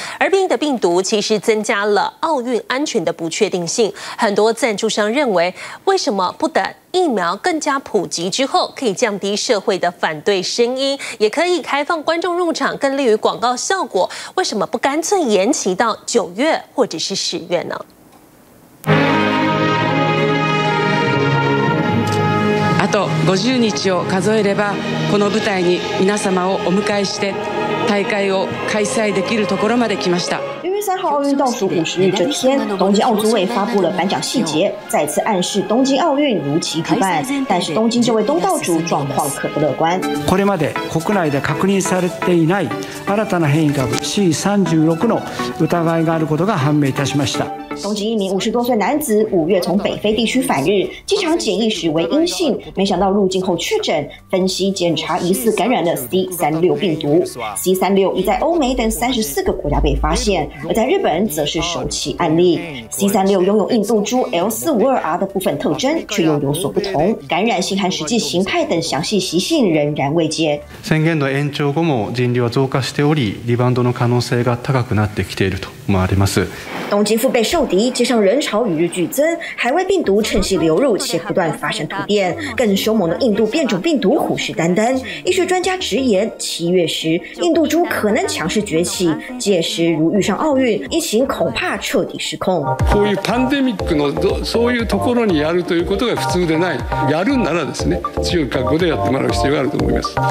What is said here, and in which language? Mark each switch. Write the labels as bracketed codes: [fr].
[zh] 而变异的病毒其实增加了奥运安全的不确定性，很多赞助商认为，为什么不等疫苗更加普及之后，可以降低社会的反对声音，也可以开放观众入场，更利于广告效果，为什么不干脆延期到9月或者是10月呢？ [ja] あと50日を数えれば、この舞台に皆様をお迎えして大会を開催できるところまで来ました。 [zh] 3号奥运倒数50日这天，东京奥组委发布了颁奖细节，再次暗示东京奥运如期举办。但是东京这位东道主状况可不乐观。 [ja] これまで国内で確認されていない新たな変異株 C36 の疑いがあることが判明いたしました。 [zh] 东京一名50多岁男子5月从北非地区返日，机场检疫时为阴性，没想到入境后确诊，分析检查疑似感染了 C36 病毒。 C36 已在欧美等34个国家被发现，而在日本则是首起案例。 C36 拥有印度株 L452R 的部分特征，却又有所不同，感染性和实际形态等详细习性仍然未解。 [ja] 宣言の延長後も人流は増加しており、リバウンドの可能性が高くなってきていると思われます。 [zh] 东京腹背受敌，街上人潮与日俱增，海外病毒趁隙流入且不断发生突变，更凶猛的印度变种病毒虎视眈眈。医学专家直言，7月时印度株可能强势崛起，届时如遇上奥运，疫情恐怕彻底失控。 [ja] こういうパンデミックのそういうところにやるということが普通でない。やるならですね、強い覚悟でやってもらう必要があると思います。